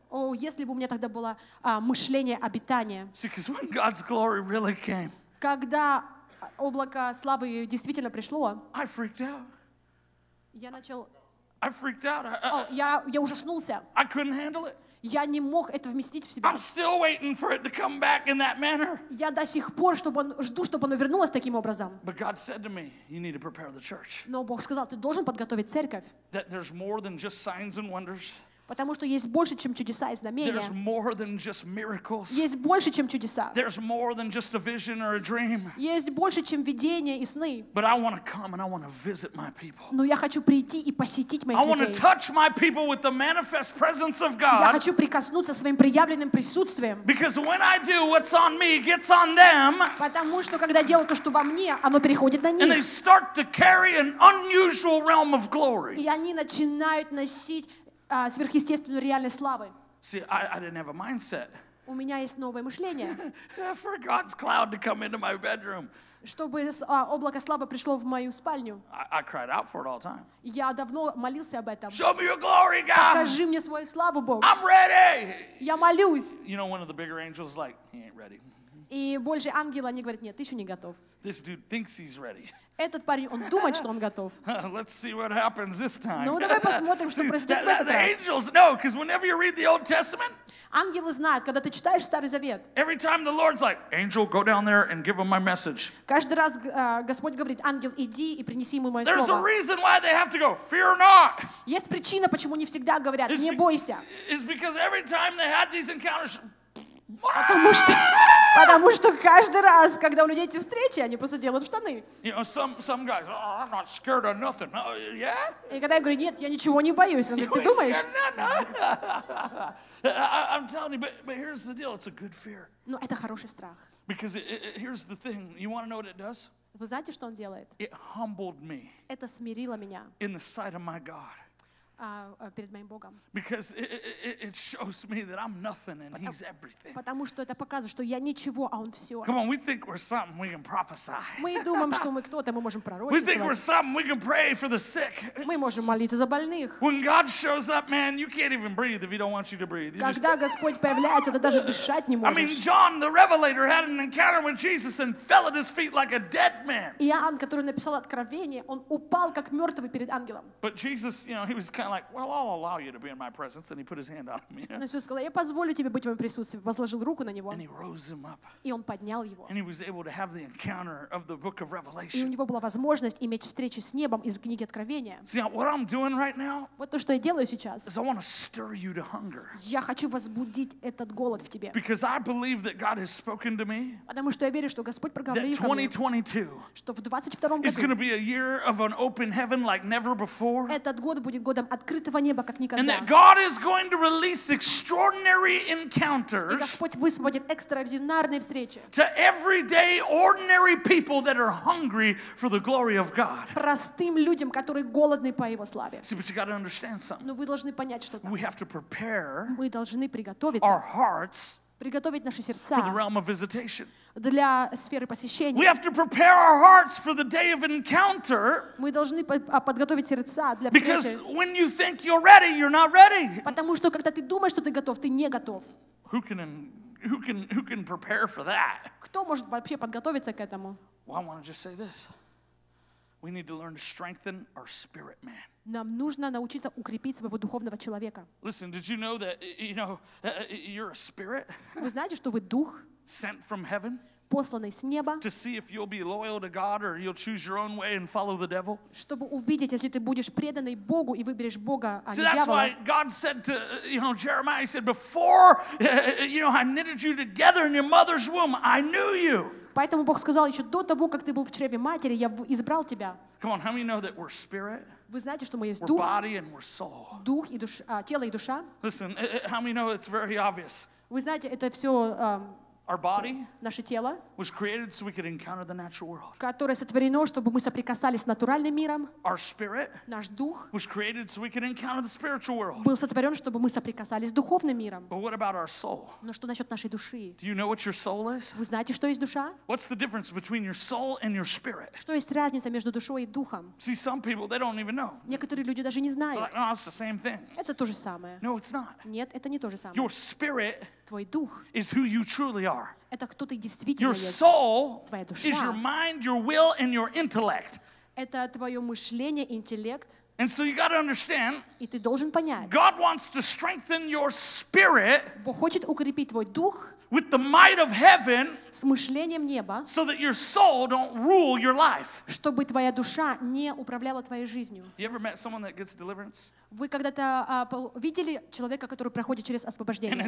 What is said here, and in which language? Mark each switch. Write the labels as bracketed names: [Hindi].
[Russian] О, если бы у меня тогда было мышление обитания. [English] See, 'cause when God's glory really came, [Russian] когда облако славы действительно пришло, [English] I freaked out. [Russian] Я начал... [English] I freaked out. [Russian] Я ужаснулся. [English] I couldn't handle it. [Russian] Я не мог это вместить в себя. [English] I'm still waiting for it to come back in that manner. [Russian] Я до сих пор жду, чтобы оно вернулось таким образом. [English] But God said to me, you need to prepare the church. [Russian] Но Бог сказал, ты должен подготовить церковь. [English] That there's more than just signs and wonders. [Russian] Потому что есть больше, чем чудеса и знамения. [English] There's more than just miracles. [Russian] Есть больше, чем чудеса. [English] There's more than just a vision or a dream. [Russian] Есть больше, чем видения и сны. [English] But I want to come and I want to visit my people. [Russian] Но я хочу прийти и посетить моих людей. [English] I want to touch my people with the manifest presence of God. [Russian] Я хочу прикоснуться своим проявленным присутствием. [English] Because when I do, what's on me gets on them. [Russian] Потому что когда дело то, что во мне, оно переходит на них. [English] And they start to carry an unusual realm of glory. [Russian] И они начинают носить сверхъестественную реальность славы. [English] See, I didn't have a mindset. [Russian] У меня есть новое мышление. [English] For God's cloud to come into my bedroom. [Russian] Чтобы облако славы пришло в мою спальню. [English] I cried out for it all the time. [Russian] Я давно молился об этом. [English] Show me your glory, God. [Russian] Покажи мне свою славу, Бог. [English] I'm ready. [Russian] Я молюсь. [English] You know, one of the bigger angels is like, he ain't ready. [Russian] И больше ангелы, они говорят, нет, ты еще не готов. [English] This dude thinks he's ready. [Russian] Этот парень, он думает, что он готов. [English] Let's see what happens this time. [Russian] Ну, давай посмотрим, что произойдет в этот раз. [English] Angels, no, because whenever you read the Old Testament, [Russian] ангелы знают, когда ты читаешь Старый Завет, [English] every time the Lord's like, angel, go down there and give him my message. [Russian] Каждый раз Господь говорит, ангел, иди и принеси ему мое [English] There's [Russian] слово. [English] There's a reason why they have to go, fear not. [Russian] Есть причина, почему не всегда говорят, не бойся. [English] It's because every time they had these encounters, [Russian] потому что каждый раз, когда у людей эти встречи, они просто делают штаны. [English] You know, some guys, oh, I'm not scared of nothing. Oh, yeah? [Russian] И когда я говорю, нет, я ничего не боюсь, он говорит, ты думаешь? [English] I'm telling you, but here's the deal, it's a good fear. [Russian] Но это хороший страх. [English] Because here's the thing, you want to know what it does? [Russian] Вы знаете, что он делает? [English] It humbled me. [Russian] Это смирило меня. [English] In the sight of my God. [Russian] Перед моим Богом. [English] Because it shows me that I'm nothing and he's everything. [Russian] Потому что это показывает, что я ничего, а он все. [English] Come on, we think we're something, we can prophesy. [Russian] Мы думаем, что мы кто-то, мы можем пророчествовать. [English] We think we're something, we can pray for the sick. [Russian] Мы можем молиться за больных. [English] When God shows up, man, you can't even breathe if he don't want you to breathe. [Russian] Когда Господь появляется, ты даже дышать не можешь. [English] I mean, John the Revelator had an encounter with Jesus and fell at his feet like a dead man. [Russian] Иоанн, который написал Откровение, он упал как мертвый перед ангелом. [English] But Jesus, you know, he was kind like, well, I'll allow you to be in my presence, and he put his hand on him. [Russian] Но Иисус сказал, я позволю тебе быть в моем присутствии, возложил руку на него. [English] And he rose him up. [Russian] И он поднял его. [English] And he was able to have the encounter of the book of Revelation. [Russian] И у него была возможность иметь встречу с небом из книги Откровения. [English] See, what I'm doing right now? [Russian] Вот то, что я делаю сейчас. [English] Is I want to stir you to hunger. [Russian] Я хочу возбудить этот голод в тебе. [English] Because I believe that God has spoken to me. [Russian] Потому что я верю, что Господь проговорил ко мне. [English] That 2022. [Russian] Что в 22-м году. [English] Is going to be a year of an open heaven like never before. [Russian] Этот год будет годом открытого неба, как никогда. [English] And that God is going to release extraordinary encounters. [Russian] И Господь высвободит экстраординарные встречи. [English] To everyday ordinary people that are hungry for the glory of God. [Russian] Простым людям, которые голодны по Его славе. [English] See, but you got to understand something. [Russian] Но вы должны понять что-то. [English] We have to prepare. [Russian] Мы должны приготовиться. [English] Our hearts. [Russian] Приготовить наши сердца. [English] For the realm of visitation. [Russian] Для сферы посещения. [English] We have to prepare our hearts for the day of encounter. [Russian] Мы должны подготовить сердца для встречи. [English] Because when you think you're ready, you're not ready. [Russian] Потому что когда ты думаешь, что ты готов, ты не готов. [English] Who can prepare for that? [Russian] Кто может вообще подготовиться к этому? [English] Well, I want to just say this. We need to learn to strengthen our spirit man. [Russian] Нам нужно научиться укрепить своего духовного человека. [English] Listen, did you know that you know you're a spirit? [Russian] Вы знаете, что вы дух? [English] Sent from heaven. [Russian] Посланный с неба. [English] To see if you'll be loyal to God or you'll choose your own way and follow the devil. [Russian] Чтобы увидеть, если ты будешь преданный Богу и выберешь Бога, а не дьявола. [English] That's why God said to you know Jeremiah. He said before you know I knitted you together in your mother's womb, I knew you. [Russian] Поэтому Бог сказал еще до того, как ты был в чреве матери, я избрал тебя. [English] Come on, how many know that we're spirit? [Russian] Вы знаете, что мы есть дух, [English] body and we're soul. [Russian] Дух и душа, тело и душа. [English] Listen, how many know it's very obvious? [Russian] Вы знаете, это все [English] our body [Russian] наше тело, [English] was created so we could encounter the natural world. [Russian] Которое сотворено, чтобы мы соприкасались с натуральным миром. [English] Our spirit [Russian] наш дух, [English] was created so we could encounter the spiritual world. [Russian] Был сотворен, чтобы мы соприкасались с духовным миром. [English] But what about our soul? [Russian] Но что насчет нашей души? [English] Do you know what your soul is? [Russian] Вы знаете, что есть душа? [English] What's the difference between your soul and your spirit? [Russian] Что есть разница между душой и духом? [English] See, some people, they don't even know. [Russian] Некоторые люди даже не знают. [English] They're like, oh, it's the same thing. [Russian] Это то же самое. [English] No, it's not. [Russian] Нет, это не то же самое. [English] Your spirit [Russian] твой дух [English] is who you truly are. [Russian] Это кто ты действительно [English] your [Russian] есть. [English] Soul [Russian] твоя душа. [English] Is your mind, your will, and your intellect. [Russian] Это твое мышление, интеллект. [English] And so you got to understand. [Russian] И ты должен понять. [English] God wants to strengthen your spirit. [Russian] Бог хочет укрепить твой дух. [English] With the might of heaven. [Russian] С мышлением неба. [English] So that your soul don't rule your life. [Russian] Чтобы твоя душа не управляла твоей жизнью. [English] You ever met someone that gets deliverance? [Russian] Вы когда-то видели человека, который проходит через освобождение?